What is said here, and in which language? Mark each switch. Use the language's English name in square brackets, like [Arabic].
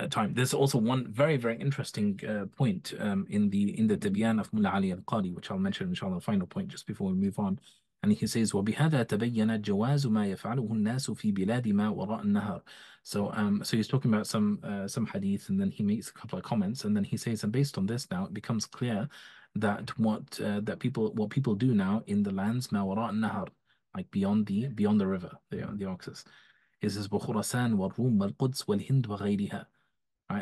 [English] There's also one very, very interesting point in the Tabiyan of Mullah Ali al-Qari, which I'll mention inshallah, final point just before we move on. [Arabic] And he says, وَبِهَذَا تَبَيَّنَ جَوَازُ مَا يَفْعَلُهُ النَّاسُ فِي بِلَادِ مَا وَرَاءَ النَّهَرِ. [English] So he's talking about some hadith, and then he makes a couple of comments, and then he says, and based on this now, it becomes clear that what people do now in the lands [Arabic] مَا وَرَاءَ النَّهَرِ, [English] like beyond the river, the Oxus, is this [Arabic] بُخُرَسَانَ وَالْرُومَ وَالْقُدْسِ وَالْهِنْدِ وَغَيْرِهَا. [English] right?